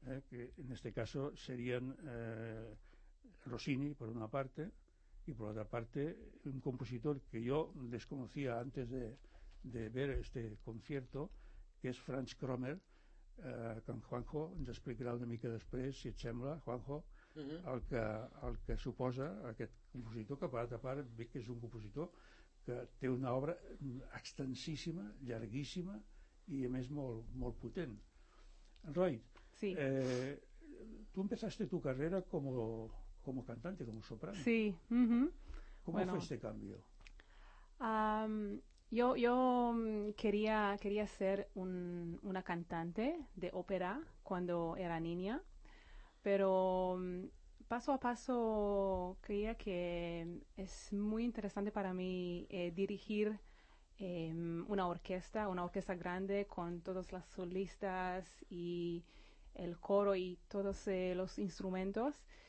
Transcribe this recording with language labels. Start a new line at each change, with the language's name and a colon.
Spanish: Que en este caso serían Rossini, por una parte, y por otra parte, un compositor que yo desconocía antes de ver este concierto, que es Franz Krommer, que
Catalan: en Juanjo ens explicarà una mica després, si et sembla, Juanjo,
Spanish: uh-huh.
Catalan: el que suposa aquest compositor, que per altra part ve que és un compositor que té una obra extensíssima, llarguíssima i a més molt, molt potent. Roy,
Spanish: sí. Tu empezaste tu carrera como cantante, como soprano. Sí. Uh-huh. ¿Cómo bueno, fue este cambio? Yo quería ser una cantante de ópera cuando era niña, pero paso a paso creía que es muy interesante para mí dirigir una orquesta grande con todas las solistas y el coro y todos los instrumentos.